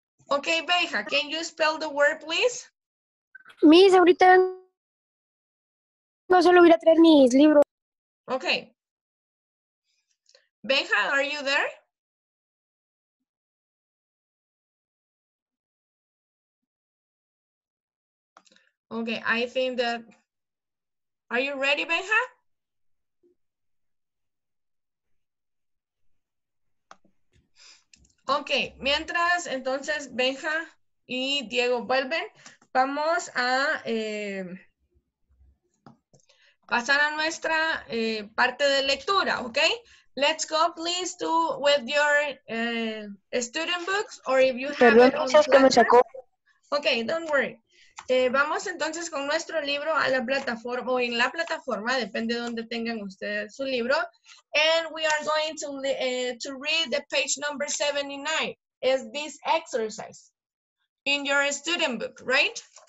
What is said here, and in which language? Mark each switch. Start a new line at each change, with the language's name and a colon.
English: Okay, Benja, can you spell the word, please?
Spanish: Miss, ahorita no solo voy a traer mis libros.
English: Okay. Benja, are you there? Okay, I think that... Are you ready, Benja?
Spanish: Okay, mientras entonces Benja y Diego vuelven, vamos a pasar a nuestra parte de lectura, okay?
English: Let's go, please, to with your student books, or if you have it on flashcards.
Spanish: Que me sacó.
English: Okay, don't worry.
Spanish: Vamos entonces con nuestro libro a la plataforma, o en la plataforma, depende de donde tengan ustedes su libro.
English: And we are going to read the page number 79, is this exercise, in your student book, right?